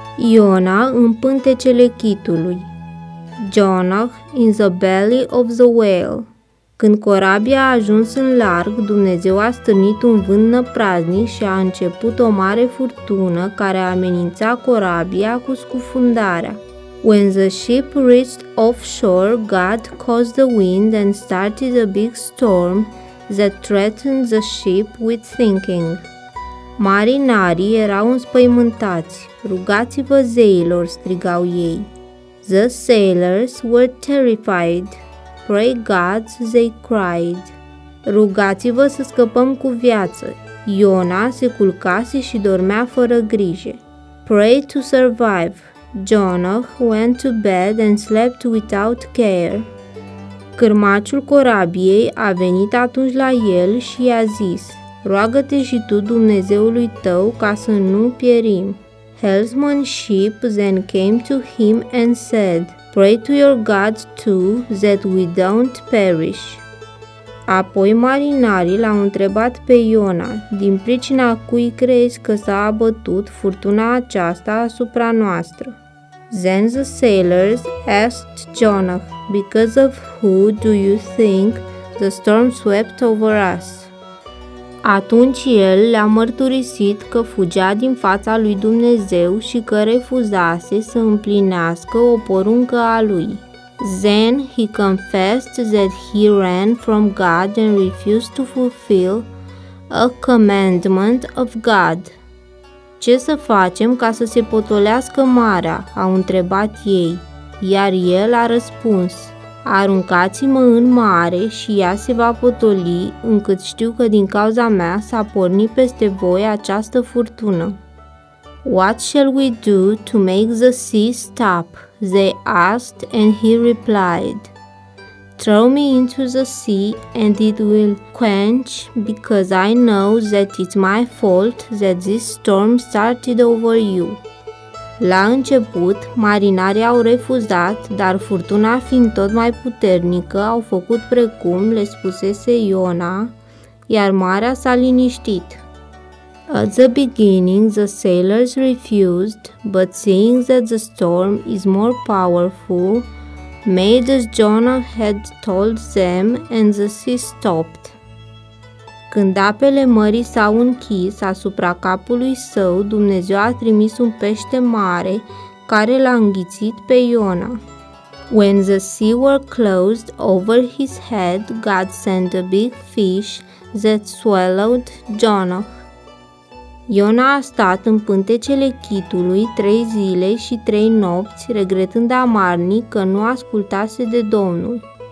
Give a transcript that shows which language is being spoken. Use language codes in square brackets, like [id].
[ro] Iona în pântecele chitului. [en] Jonah in the belly of the whale. [ro] Când corabia a ajuns în larg, Dumnezeu a stârnit un vânt năpraznic și a început o mare furtună care amenința corabia cu scufundarea. [en] When the ship reached offshore, God caused the wind and started a big storm that threatened the ship with sinking. [ro] Marinarii erau înspăimântați. Rugați-vă zeilor, strigau ei. [en] The sailors were terrified. Pray God, they cried. [ro] Rugați-vă să scăpăm cu viață. Iona se culcase și dormea fără grijă. [en] Pray to survive. Jonah went to bed and slept without care. [ro] Cârmaciul corabiei a venit atunci la el și i-a zis, roagă-te și tu Dumnezeului tău ca să nu pierim. [en] Helmsman's ship then came to him and said, pray to your God too that we don't perish. [ro] Apoi marinarii l-au întrebat pe Iona, din pricina cui crezi că s-a abătut furtuna aceasta asupra noastră? [en] Then the sailors asked Jonah, because of who do you think the storm swept over us? [ro] Atunci el le-a mărturisit că fugea din fața lui Dumnezeu și că refuzase să împlinească o poruncă a lui. [en] Then he confessed that he ran from God and refused to fulfill a commandment of God. [ro] Ce să facem ca să se potolească marea? Au întrebat ei, iar el a răspuns, aruncați-mă în mare și ea se va potoli, încât știu că din cauza mea s-a pornit peste voi această furtună. [en] What shall we do to make the sea stop? They asked and he replied, throw me into the sea and it will quench because I know that it's my fault that this storm started over you. [ro] La început, marinarii au refuzat, dar furtuna fiind tot mai puternică, au făcut precum le spusese Iona, iar marea s-a liniștit. [en] At the beginning, the sailors refused, but seeing that the storm is more powerful, made as Jonah had told them, and the sea stopped. [ro] Când apele mării s-au închis asupra capului său, Dumnezeu a trimis un pește mare care l-a înghițit pe Iona. [en] When the sea were closed over his head, God sent a big fish that swallowed Jonah. [ro] Iona a stat în pântecele chitului 3 zile și 3 nopți, regretând amarnic că nu ascultase de Domnul.